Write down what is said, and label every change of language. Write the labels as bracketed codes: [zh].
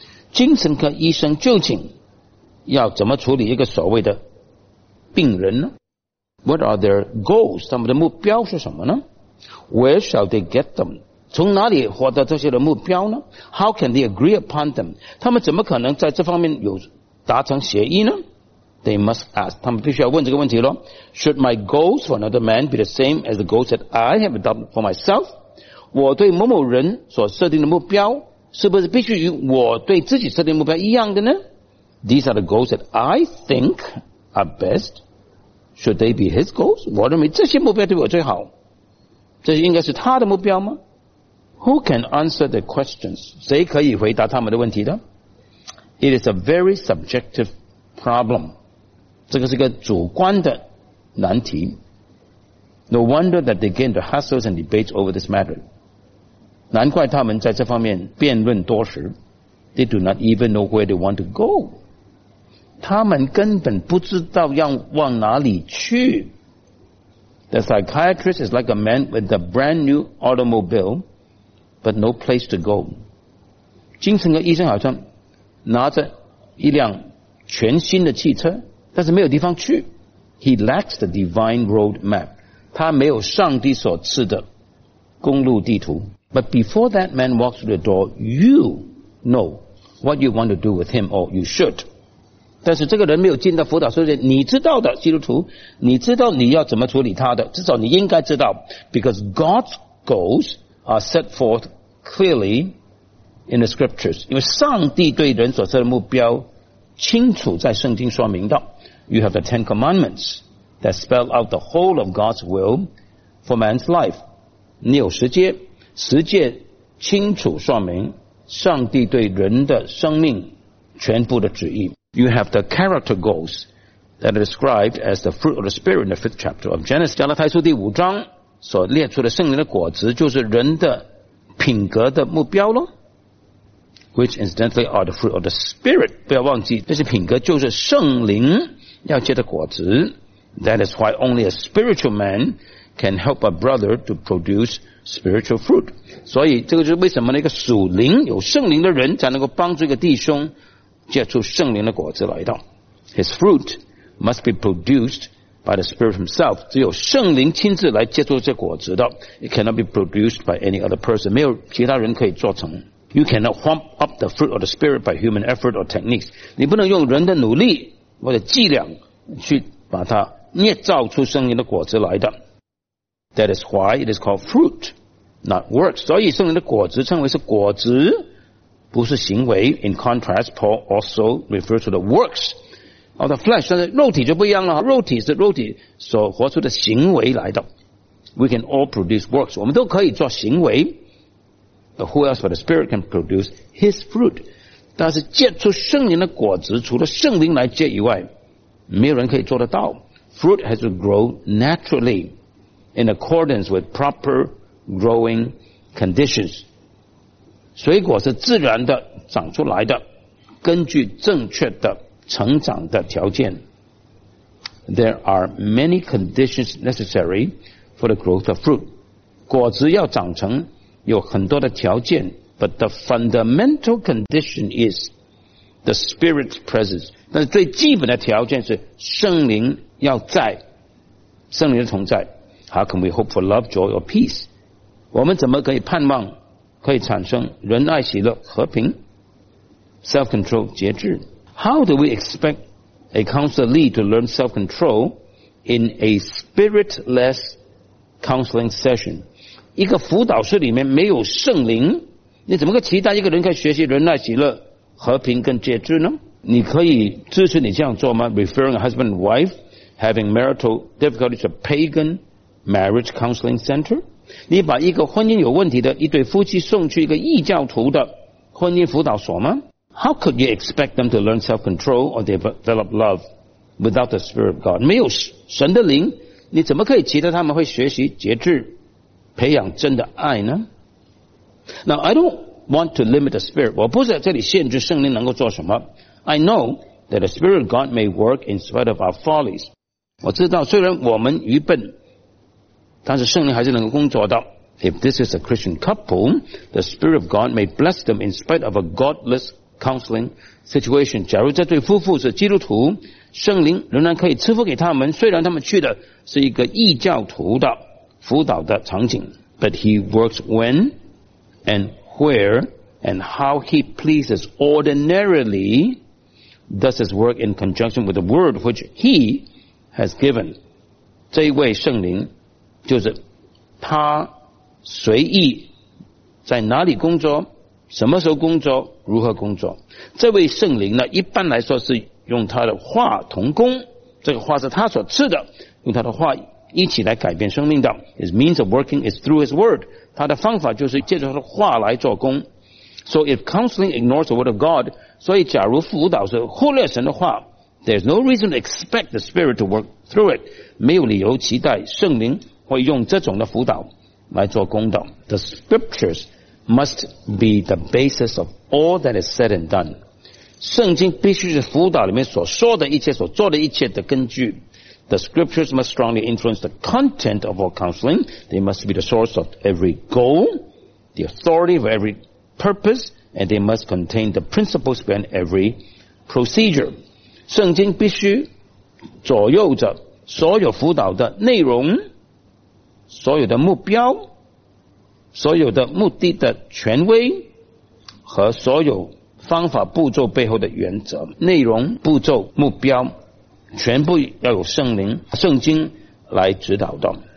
[zh] 精神科医生究竟要怎么处理一个所谓的病人呢？ [en] What are their goals? [zh] 他们的目标是什么呢？ [en] Where shall they get them? [zh] 从哪里获得这些的目标呢？ [en] How can they agree upon them? [zh] 他们怎么可能在这方面有达成协议呢？ [en] They must ask. [zh] 他们必须要问这个问题咯。 [en] Should my goals for another man be the same as the goals that I have adopted for myself? [zh] 我对某某人所设定的目标是不是必须与我对自己设定的目标一样的呢？ [en] These are the goals that I think are best. Should they be his goals? [zh] 我认为这些目标对我最好。这应该是他的目标吗？ [en] Who can answer the questions? [zh] 谁可以回答他们的问题的？ [en] It is a very subjective problem. [zh] 这个是个主观的难题。 [en] No wonder that they gain the hassles and debates over this matter. [zh] 难怪他们在这方面辩论多时。 [en] They do not even know where they want to go. [zh] 他们根本不知道要往哪里去。 [en] The psychiatrist is like a man with a brand new automobile, but no place to go. [zh] 精神科医生好像拿着一辆全新的汽车，但是没有地方去。 [en] He lacks the divine road map. [zh] 他没有上帝所赐的公路地图。 [en] But before that man walks through the door, you know what you want to do with him, or you should. [zh] 但是这个人没有进到辅导室，你知道的，基督徒，你知道你要怎么处理他的，至少你应该知道。 [en] Because God's goals are set forth clearly in the scriptures. [zh] 因为上帝对人所设的目标清楚在圣经说明的。 [en] You have the Ten Commandments that spell out the whole of God's will for man's life. [zh] 你有十诫，十诫清楚说明上帝对人的生命全部的旨意。 [en] You have the character goals that are described as the fruit of the Spirit in the fifth chapter of Genesis. [zh] 加拉太书第五章所列出的圣灵的果子就是人的品格的目标咯。 [en] Which incidentally are the fruit of the Spirit. [zh] 不要忘记，这些品格就是圣灵要结的果子。 [en] That is why only a spiritual man can help a brother to produce spiritual fruit. [zh] 所以这个就是为什么一个属灵有圣灵的人才能够帮助一个弟兄结出圣灵的果子来的。 [en] His fruit must be produced by the Spirit himself. [zh] 只有圣灵亲自来结出这果子的。 [en] It cannot be produced by any other person. [zh] 没有其他人可以做成。 [en] You cannot whomp up the fruit of the Spirit by human effort or techniques. [zh] 你不能用人的努力或者伎俩去把它捏造出圣灵的果子来的。 [en] That is why it is called fruit, not works. [zh] 所以圣灵的果子称为是果子不是行为。 [en] In contrast, Paul also refers to the works of the flesh. [zh] 但是肉体就不一样了，肉体是肉体所活出的行为来的。 [en] We can all produce works, [zh] 我们都可以做行为。 [en] But who else but the Spirit can produce his fruit? [zh] 但是结出圣灵的果子，除了圣灵来结以外，没有人可以做得到。 [en] Fruit has to grow naturally in accordance with proper growing conditions. [zh] 水果是自然的长出来的，根据正确的成长的条件。 [en] There are many conditions necessary for the growth of fruit. [zh] 果子要长成有很多的条件， [en] but the fundamental condition is the Spirit's presence. [zh] 但是最基本的条件是圣灵要在，圣灵的同在。 [en] How can we hope for love, joy or peace? [zh] 我们怎么可以盼望可以产生仁爱喜乐和平 self-control 节制。 [en] How do we expect a counselee to learn self-control in a spirit-less counseling session? [zh] 一个辅导室里面没有圣灵，你怎么可以期待一个人可以学习仁爱喜乐和平跟节制呢？你可以支持你这样做吗？ [en] Referring a husband and wife having marital difficulties to pagan marriage counseling center? [zh] 你把一个婚姻有问题的一对夫妻送去一个异教徒的婚姻辅导所吗？ [en] How could you expect them to learn self-control or develop love without the Spirit of God? [zh] 没有神的灵，你怎么可以期待他们会学习节制，培养真的爱呢？ [en] Now I don't want to limit the Spirit. [zh] 我不是在这里限制圣灵能够做什么。 [en] I know that the Spirit of God may work in spite of our follies. [zh] 我知道虽然我们愚笨，但是圣灵还是能够工作的。 [en] If this is a Christian couple, the Spirit of God may bless them in spite of a godless counseling situation. [zh] 假如这对夫妇是基督徒，圣灵仍然可以赐福给他们，虽然他们去的是一个异教徒的辅导的场景。 [en] But he works when and where and how he pleases. Ordinarily does his work in conjunction with the word which he has given. [zh] 这一位圣灵就是他随意在哪里工作，什么时候工作，如何工作。这位圣灵呢，一般来说是用他的话同工，这个话是他所赐的，用他的话一起来改变生命道。 [en] His means of working is through his word， [zh] 他的方法就是借着他的话来做工。 [en] So if counseling ignores the word of God， [zh] 所以假如辅导是忽略神的话， [en] There's no reason to expect the spirit to work through it， [zh] 没有理由期待圣灵会用这种的辅导来做工的。 [en] The scriptures must be the basis of all that is said and done， [zh] 圣经必须是辅导里面所说的一切所做的一切的根据。 [en] The scriptures must strongly influence the content of all counseling. They must be the source of every goal, the authority of every purpose, and they must contain the principles behind every procedure. [zh] 圣经必须左右着所有辅导的内容、所有的目标、所有的目的的权威和所有方法步骤背后的原则、内容、步骤、目标，全部要有圣灵、圣经来指导的。